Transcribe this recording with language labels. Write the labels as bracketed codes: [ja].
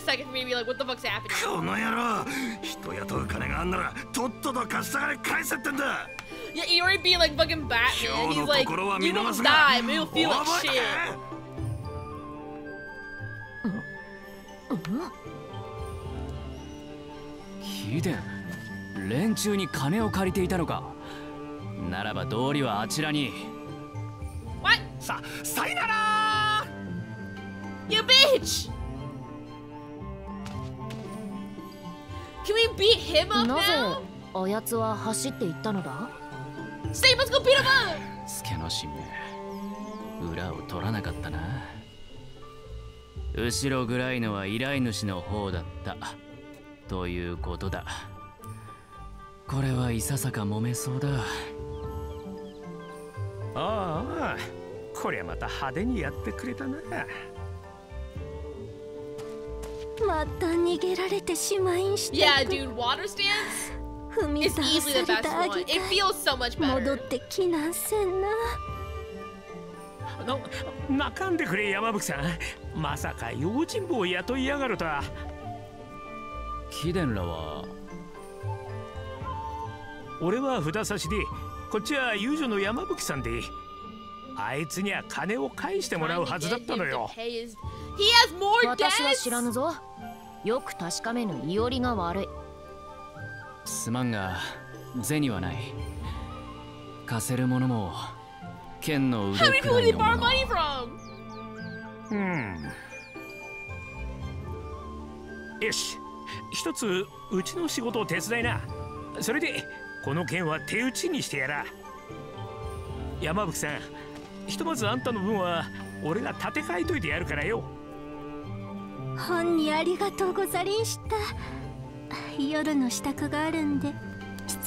[ja] この野郎、人雇う金があんならとっとと貸したから返せってんだ。いや、 [en] Iori being like fucking Batman. He's like, you will die, but you'll feel like shit. [ja] ヒデン、連中に金を借りていたのか。ならば道理はあちらに。 [en] What? [ja] さ、さよなら。 [en] You bitch! Can we beat him up now? [ja] なぜ、あやつは走っていったのだ？ [en] Stay, let's go beat him up! [ja] スケノシメ、裏を取らなかったな。後ろ暗いのは依頼主の方だった。ということだ。これはいささか揉めそうだ。ああ、こりゃまた派手にやってくれたな。また逃げられてしまいんしてく。 [en] Yeah, dude, water stands is easily the best one. It feels so much better. [ja] 戻ってきなせんな。泣かんでくれ、山吹さん。まさか用心棒を雇いやがるとは。貴殿らは。俺は札差しで、こっちは遊女の山吹さんで。あいつには金を返してもらうはずだったのよ。 [en] He has more debts! [ja] 私は知らぬぞ。よく確かめぬイオリが悪い。すまんが、銭はない。貸せるものも、剣の腕くらいのもの。 [en] How many people did he borrow money from? [ja] よし、一つうちの仕事を手伝いな。それで、この剣は手打ちにしてやら。山吹さん、ひとまずあんたの分は俺が立て替えといてやるからよ。本にありがとうござりんした。夜の支度があるんで失